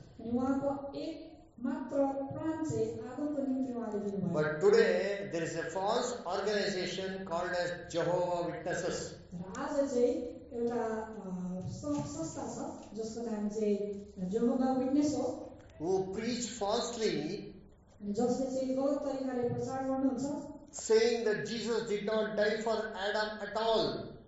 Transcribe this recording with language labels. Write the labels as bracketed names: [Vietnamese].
[Nepali] उहाँको एक मात्र प्राण चाहिँ आदमको निम्ति उहाँले दिनुभयो. [English] But today there is a false organization called as Jehovah Witnesses. [Nepali] आज चाहिँ एउटा संस्था छ जसको नाम चाहिँ Jehovah Witness हो. [English] Who preach falsely. [Nepali] जसले चाहिँ गलत तरिकाले प्रचार गर्नुहुन्छ. [English] Saying that Jesus did not die for Adam at all.